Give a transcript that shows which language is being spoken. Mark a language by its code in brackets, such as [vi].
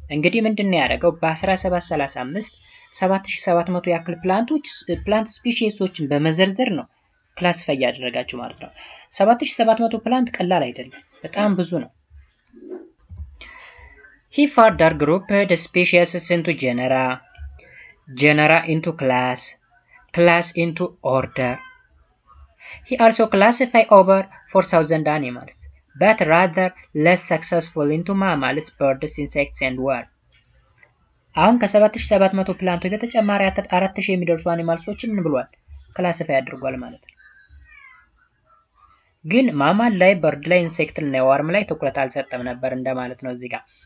[am] እንግዲህ ምንድነው ያደረገው በ1735 7700 ያክል plant speciesዎችን በመዘርዘር ነው classify ያደረጋቸው ማለት ነው። 7700 plant ቀላል አይደለም በጣም ብዙ ነው። [en] He further grouped the species into genera into class into order. He also classified over 4000 animals but rather less successful into mammals, birds, insects and worms. [am] አሁን ከ7700 ፕላንቶች በተጨማሪ 4000 የሚደርሱ አኒማልሶችን ምን ብሏል ክላሲፋይ አድርጓል ማለት ነው። ግን ማማል ላይ በርድ ላይ ኢንሴክት ላይ ወርም ላይ ትኩረት አልሰጠም ነበር እንደማለት ነው። እዚህ ጋር